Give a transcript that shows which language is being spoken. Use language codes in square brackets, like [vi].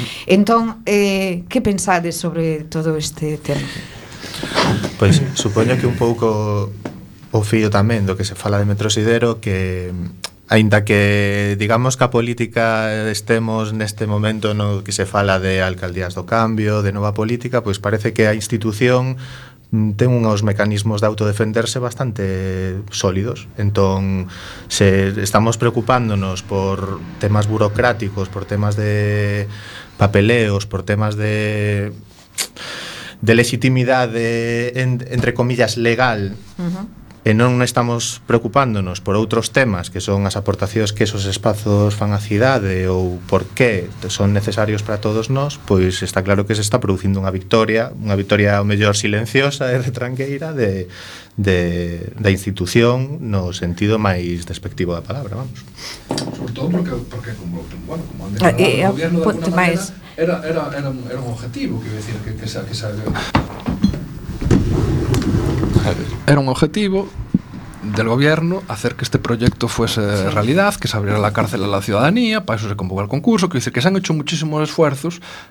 [gl] Entón, que pensades sobre todo este tema? Pois supoño que un pouco o fío tamén do que se fala de Metro Sidero, que aínda que digamos que a política estemos neste momento no que se fala de alcaldías do cambio, de nova política, pois parece que a institución ten unhos mecanismos de autodefenderse bastante sólidos. Entón, se estamos preocupándonos por temas burocráticos, por temas de papeleos, por temas de legitimidade, entre comillas, legal, uh-huh, e non estamos preocupándonos por outros temas, que son as aportacións que esos espazos fan a cidade ou por que son necesarios para todos nós, pois está claro que se está producindo unha victoria ao mellor silenciosa e retranqueira da institución no sentido máis despectivo da palabra, vamos. [es] Sobre todo porque como han declarado, Era un objetivo, [gl] quero decir, [es] que era un objetivo del gobierno hacer que este proyecto fuese realidad, que se abriera la cárcel a la ciudadanía, para eso se convocó el concurso, [gl] quero decir, [es] que se han hecho muchísimos esfuerzos,